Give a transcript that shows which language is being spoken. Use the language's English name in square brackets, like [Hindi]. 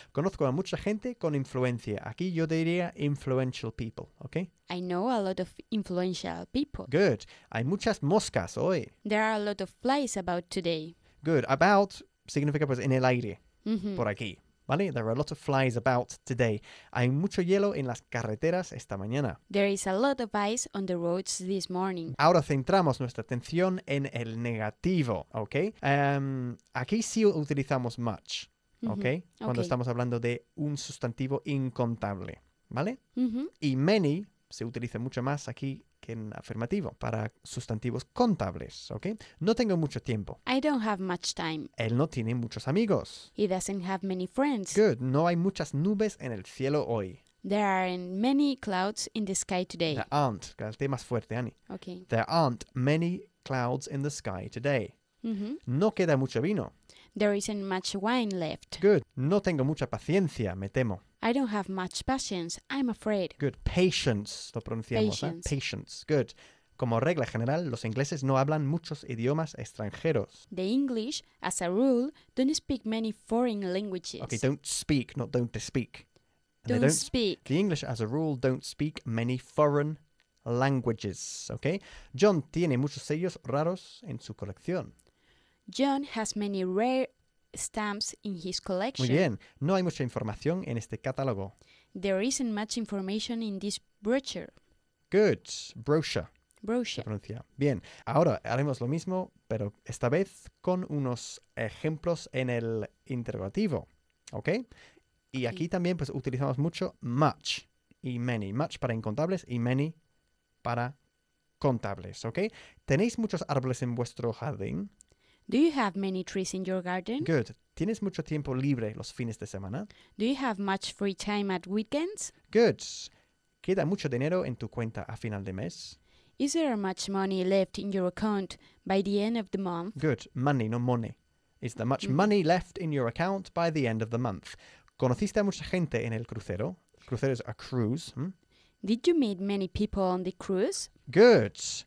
[Spanish] Conozco a mucha gente con influencia. Aquí yo diría [English] influential people, [Spanish] ¿ok? [English] I know a lot of influential people. Good. [Spanish] Hay muchas moscas hoy. [English] There are a lot of flies about today. Good. [Spanish] About significa pues en el aire, mm-hmm. Por aquí, ¿vale? [English] There are a lot of flies about today. [Spanish] Hay mucho hielo en las carreteras esta mañana. [English] There is a lot of ice on the roads this morning. [Spanish] Ahora centramos nuestra atención en el negativo, ¿ok? Aquí sí utilizamos much. Okay? Mm-hmm. Cuando okay. Estamos hablando de un sustantivo incontable, ¿vale? Mm-hmm. Y many se utiliza mucho más aquí en afirmativo, para sustantivos contables, ¿ok? No tengo mucho tiempo. [English] I don't have much time. [Spanish] Él no tiene muchos amigos. [English] He doesn't have many friends. Good, [Spanish] no hay muchas nubes en el cielo hoy. [English] There aren't many clouds in the sky today. There aren't, [Spanish] que es el tema más fuerte, Annie. Okay. [English] There aren't many clouds in the sky today. Mm-hmm. [Spanish] No queda mucho vino. [English] There isn't much wine left. Good. [Spanish] No tengo mucha paciencia, me temo. [English] I don't have much patience, I'm afraid. Good. Patience, [Spanish] lo pronunciamos. [English] Patience. ¿Eh? Patience. Good. [Spanish] Como regla general, los ingleses no hablan muchos idiomas extranjeros. [English] The English, as a rule, don't speak many foreign languages. Okay, don't speak, not don't speak. And don't speak. The English, as a rule, don't speak many foreign languages, okay? [Spanish] John tiene muchos sellos raros en su colección. [English] John has many rare stamps in his collection. [Spanish] Muy bien. No hay mucha información en este catálogo. [English] There isn't much information in this brochure. Good. Brochure. Brochure. [Spanish] Se pronuncia. Bien. Ahora haremos lo mismo, pero esta vez con unos ejemplos en el interrogativo, okay? Y aquí también pues utilizamos mucho much y many. Much para incontables y many para contables, ¿okay? ¿Tenéis muchos árboles en vuestro jardín? [English] Do you have many trees in your garden? Good. [Spanish] ¿Tienes mucho tiempo libre los fines de semana? [English] Do you have much free time at weekends? Good. [Spanish] ¿Queda mucho dinero en tu cuenta a final de mes? [English] Is there much money left in your account by the end of the month? Good. Money, no money. Is there much money left in your account by the end of the month? [Spanish] ¿Conociste a mucha gente en el crucero? Crucero [English] is a cruise. [Spanish] Hmm? [English] Did you meet many people on the cruise? Good.